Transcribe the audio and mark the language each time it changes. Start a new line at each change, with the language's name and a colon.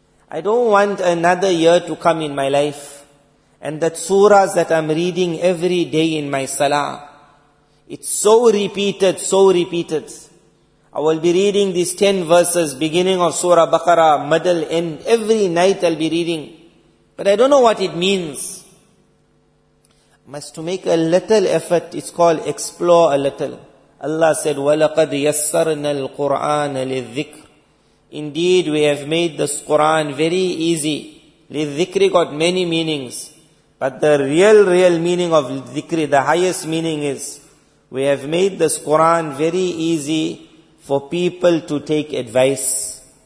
English: I don't want another year to come in my life. And that surahs that I'm reading every day in my salah, it's so repeated, so repeated. I will be reading these 10 verses, beginning of Surah Baqarah, middle, end. Every night I'll be reading. But I don't know what it means. I must to make a little effort. It's called explore a little. Allah said,
Arabic: وَلَقَدْ يَسَّرْنَا الْقُرْآنَ لِلذِّكْرِ.
English: Indeed, we have made this Qur'an very easy. لِلذِّكْرِ got many meanings. But the real, real meaning of dhikri, the highest meaning is, we have made this Qur'an very easy for people to take advice.